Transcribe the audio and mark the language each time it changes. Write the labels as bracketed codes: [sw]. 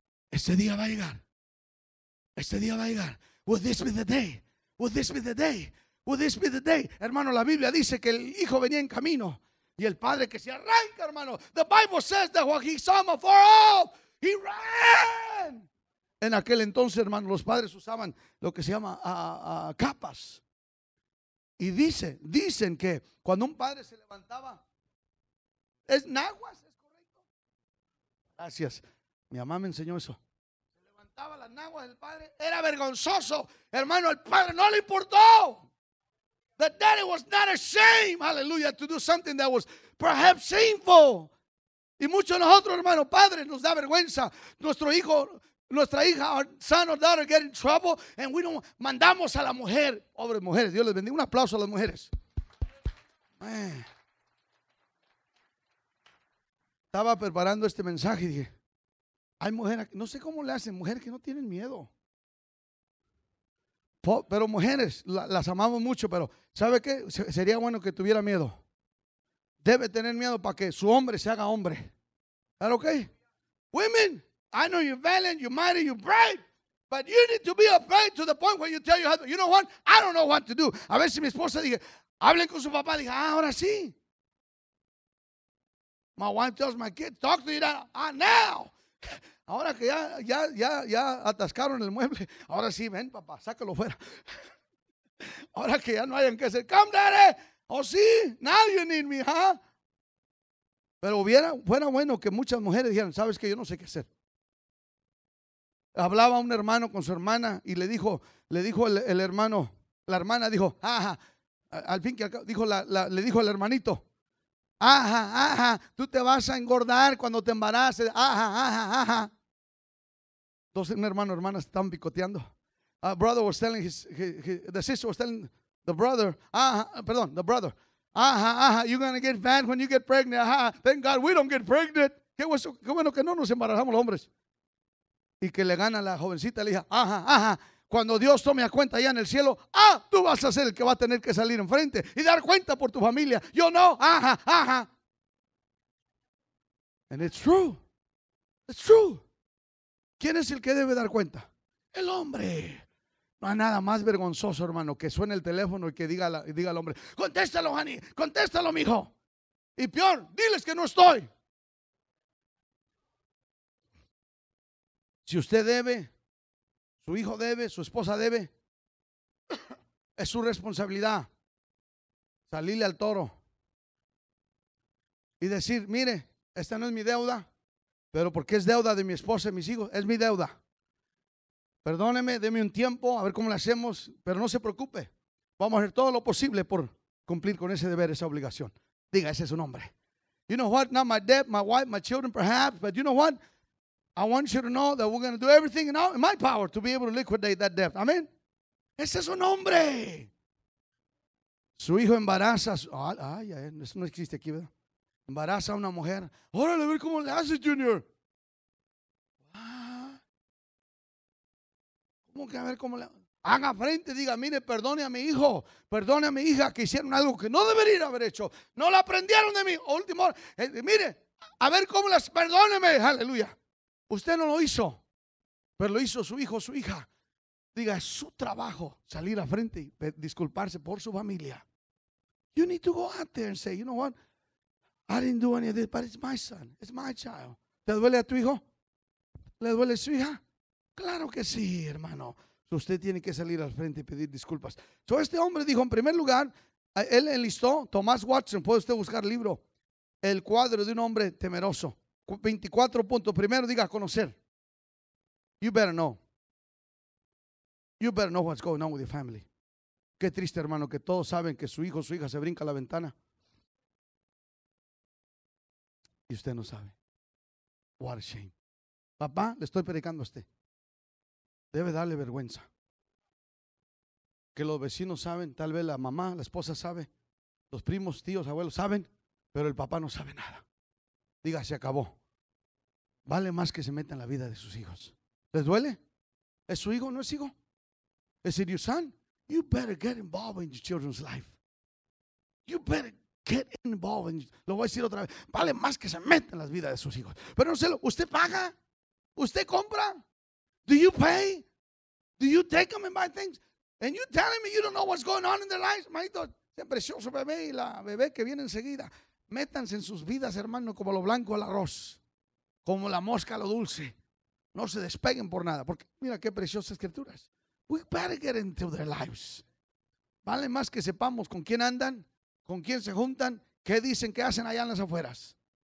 [es] Ese día va a llegar. Ese día va a llegar. [en] Will this be the day? Will this be the day? Will this be the day? [es] Hermano, la Biblia dice que el hijo venía en camino. Y el padre que se arranca, hermano. [en] The Bible says that when he saw him afar off, he ran. [es] En aquel entonces, hermano, los padres usaban lo que se llama capas. Y dicen que cuando un padre se levantaba, ¿es naguas? ¿Es correcto? Gracias. Mi mamá me enseñó eso. Se levantaba las naguas del padre. Era vergonzoso. Hermano, el padre no le importó. [en] The daddy was not ashamed, hallelujah, to do something that was perhaps shameful. [es] Y muchos de nosotros, hermano, padres, nos da vergüenza. Nuestro hijo, nuestra hija, [en] our son or daughter get in trouble, and we don't, [es] mandamos a la mujer. Pobres mujeres, Dios les bendiga. Un aplauso a las mujeres. Man. Estaba preparando este mensaje y dije, hay mujeres, no sé cómo le hacen, mujeres que no tienen miedo. Pero mujeres, las amamos mucho, pero ¿sabe qué? Sería bueno que tuviera miedo. Debe tener miedo para que su hombre se haga hombre. ¿Está ok? [en] Women, I know you're valiant, you're mighty, you're brave, but you need to be afraid to the point where you tell your husband, you know what? I don't know what to do. [es] A ver si mi esposa dice, hablen con su papá, diga, ah, ahora sí. [en] My wife tells my kids, talk to your dad, ah, now. [es] Ahora que ya atascaron el mueble, ahora sí, ven papá, sácalo fuera. Ahora que ya no hayan que hacer, [en] come daddy, [es] oh sí, [en] now you need me, huh? [es] Pero fuera bueno que muchas mujeres dijeran, sabes que yo no sé qué hacer. Hablaba un hermano con su hermana y le dijo el hermano, la hermana dijo, ajá, al fin que dijo le dijo el hermanito, ajá, ajá, tú te vas a engordar cuando te embaraces, ajá, ajá, ajá. Entonces un hermano, hermana, están picoteando. [en] Brother was telling the sister was telling the brother, the brother, ajá, ajá, you're going to get fat when you get pregnant, ajá, thank God we don't get pregnant. [es] Qué bueno que no nos embarazamos los hombres. Y que le gana la jovencita, le dije, ajá, ajá, cuando Dios tome a cuenta allá en el cielo, ah, tú vas a ser el que va a tener que salir enfrente y dar cuenta por tu familia. Yo no, ajá, ajá. [en] And it's true, it's true. [es] ¿Quién es el que debe dar cuenta? El hombre. No hay nada más vergonzoso, hermano, que suene el teléfono y que diga al hombre, contéstalo, Jani, contéstalo, mijo. Y peor, diles que no estoy. Si usted debe, su hijo debe, su esposa debe, es su responsabilidad salirle al toro y decir, mire, esta no es mi deuda, pero porque es deuda de mi esposa y mis hijos, es mi deuda. Perdóneme, deme un tiempo, a ver cómo lo hacemos, pero no se preocupe. Vamos a hacer todo lo posible por cumplir con ese deber, esa obligación. Diga, ese es su nombre. [en] You know what? Not my debt, my wife, my children perhaps, but you know what? I want you to know that we're going to do everything in my power to be able to liquidate that debt. [es] Amen. Ese es su nombre. Su hijo embaraza. Ay, eso no existe aquí, ¿verdad? Embaraza a una mujer. Órale, a ver cómo le hace, Junior. ¿Cómo que a ver cómo le hace? Haga frente, diga, mire, perdone a mi hijo. Perdone a mi hija que hicieron algo que no deberían haber hecho. No la aprendieron de mí. Último, mire, a ver cómo las, perdóneme. Aleluya. Usted no lo hizo, pero lo hizo su hijo, su hija. diga, es su trabajo salir a frente y disculparse por su familia. [en] You need to go out there and say, you know what? I didn't do any of this, but it's my son. It's my child. [es] ¿Te duele a tu hijo? ¿Le duele a su hija? Claro que sí, hermano. Usted tiene que salir al frente y pedir disculpas. So este hombre dijo, en primer lugar, él enlistó, Thomas Watson, puede usted buscar el libro, el cuadro de un hombre temeroso. 24 puntos. Primero, diga, conocer. [en] You better know. You better know what's going on with your family. [es] Qué triste, hermano, que todos saben que su hijo o su hija se brinca a la ventana. Y usted no sabe. [en] What a shame. [es] Papá, le estoy predicando a usted. Debe darle vergüenza. Que los vecinos saben, tal vez la mamá, la esposa sabe, los primos, tíos, abuelos saben, pero el papá no sabe nada. Diga, se acabó. Vale más que se meta en la vida de sus hijos. ¿Les duele? ¿Es su hijo? ¿No es hijo? [en] Is it your son? You better get involved in your children's life. You better get involved in your... [es] Lo voy a decir otra vez. Vale más que se meta en las vidas de sus hijos. Pero no sé, ¿usted paga? ¿Usted compra? [en] Do you pay? Do you take them and buy things? And you telling me you don't know what's going on in their lives? [es] Marito, ese precioso bebé y la bebé que viene enseguida. Métanse en sus vidas, hermano, como lo blanco al arroz. Como la mosca a lo dulce. No se despeguen por nada. Porque mira qué preciosas escrituras. [en] We better get into their lives. [es] Vale más que sepamos con quién andan, con quién se juntan, qué dicen, qué hacen allá en las afueras.